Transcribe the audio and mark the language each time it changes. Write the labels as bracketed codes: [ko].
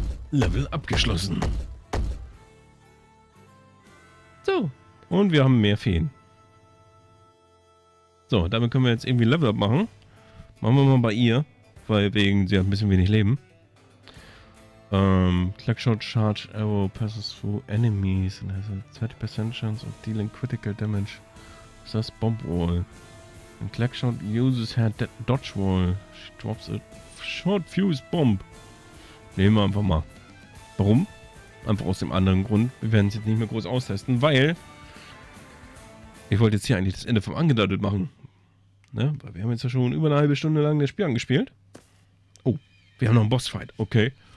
[de] Level abgeschlossen. So. Und wir haben mehr Feen. So, damit können wir jetzt irgendwie Level up machen. Machen wir mal bei ihr. Weil wegen, sie hat ein bisschen wenig Leben. [en] Clackshot Charge Arrow passes through enemies and has a 20% chance of dealing critical damage. [de] Was ist das? [en] Bomb Wall. And Clackshot uses her Dodge Wall. She drops a short fuse bomb. [de] Nehmen wir einfach mal. Warum? Einfach aus dem anderen Grund. Wir werden es jetzt nicht mehr groß austesten, weil ich wollte jetzt hier eigentlich das Ende vom Angedeutet machen. Ne? Weil wir haben jetzt ja schon über eine halbe Stunde lang das Spiel angespielt. Oh, wir haben noch einen Bossfight. Okay.